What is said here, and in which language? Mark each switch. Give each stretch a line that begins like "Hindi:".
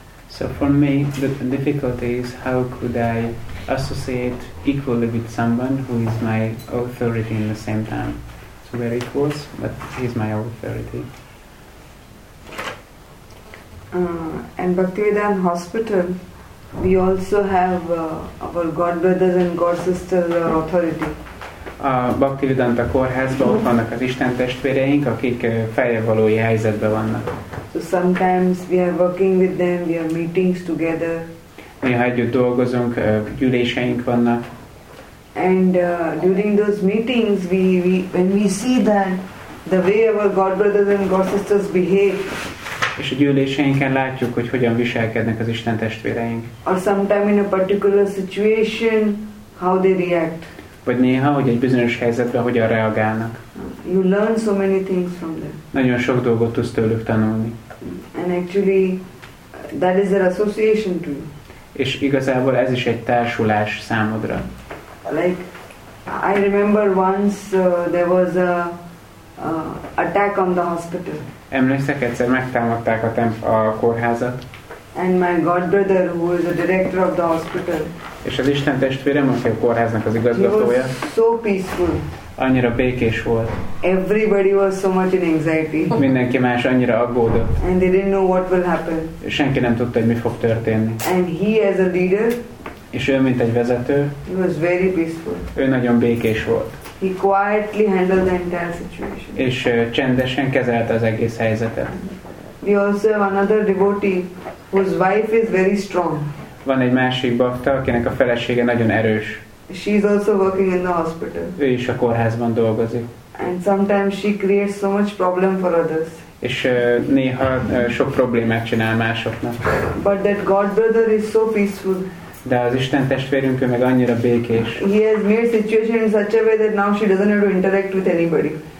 English: So for me, the difficulty is how could I associate equally with someone who is my authority in the same time. So we are equals, but he's my authority. And Bhaktivedanta Hospital, we also have our godbrothers and godsisters authority.
Hungarian: A Bhaktivedanta Kórházban ott vannak az Isten testvéreink, akik feljebbvalói helyzetben vannak.
English: So sometimes we are working with them, we have meetings together.
Hungarian: Néha együtt dolgozunk, gyűléseink vannak.
English: And during those meetings, when we see that the way our godbrothers and godsisters behave.
Hungarian: És a gyűléseinken látjuk, hogy hogyan viselkednek az Isten testvéreink.
English: Or sometime in a particular situation, how they react.
Hungarian: Vagy néha, hogy egy bizonyos helyzetben hogyan reagálnak.
English: You learn so many things from them.
Hungarian: Nagyon sok dolgot tudsz tőlük tanulni.
English: And actually, that is their association to you.
Hungarian: És igazából ez is egy társulás számodra.
English: Like, I remember once there was a attack on the hospital.
Hungarian: Emlékszek, egyszer megtámadták a kórházat.
English: And my godbrother, who is the director of the hospital.
Hungarian: És az Isten testvérem, aki a kórháznak az igazgatója.
English: He was so peaceful.
Hungarian: Annyira békés volt.
English: Everybody was so much in anxiety.
Hungarian: Mindenki más annyira aggódott.
English: And they didn't know what will happen.
Hungarian: Senki nem tudta, hogy mi fog történni.
English: And he as a leader.
Hungarian: És ő mint egy vezető.
English: He was very peaceful.
Hungarian: Ő nagyon békés volt.
English: He quietly handled the entire situation.
Hungarian: És csendesen kezelte az egész helyzetet.
English: We also have another devotee whose wife is very strong.
Hungarian: Van egy másik bhakta, akinek a felesége nagyon erős.
English: She is also working in the hospital.
Hungarian: Ő is a kórházban dolgozik.
English: And sometimes she creates so much problem for others.
Hungarian: És néha sok problémát csinál másoknak.
English: But that godbrother is so peaceful.
Hungarian: De az Isten testvérünk, ő meg annyira békés.
English: He has made situation in such a way that now she doesn't have to interact with anybody.